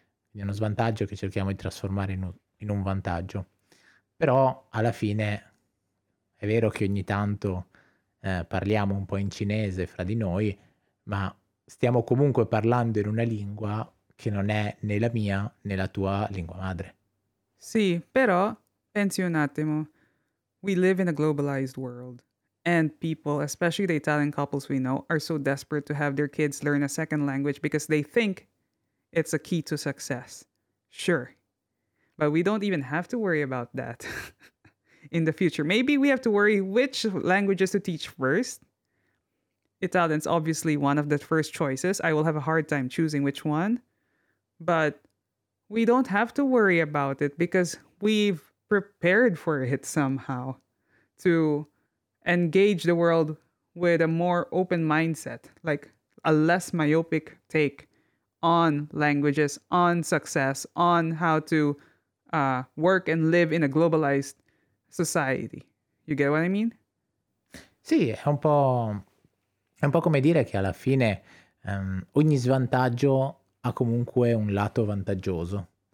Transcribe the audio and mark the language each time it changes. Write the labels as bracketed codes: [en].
[it] Quindi uno svantaggio che cerchiamo di trasformare in un vantaggio. Però alla fine è vero che ogni tanto parliamo un po' in cinese fra di noi, ma stiamo comunque parlando in una lingua che non è né la mia né la tua lingua madre. Sì, però pensi un attimo. [en] We live in a globalized world, and people, especially the Italian couples we know, are so desperate to have their kids learn a second language because they think it's a key to success. Sure, but we don't even have to worry about that in the future. Maybe we have to worry which languages to teach first. Italian's obviously one of the first choices. I will have a hard time choosing which one, but we don't have to worry about it because we've prepared for it somehow to engage the world with a more open mindset, like a less myopic take on languages, on success, on how to work and live in a globalized society. You get what I mean? [it] Sì, è un po' come dire che alla fine ogni svantaggio ha comunque un lato vantaggioso.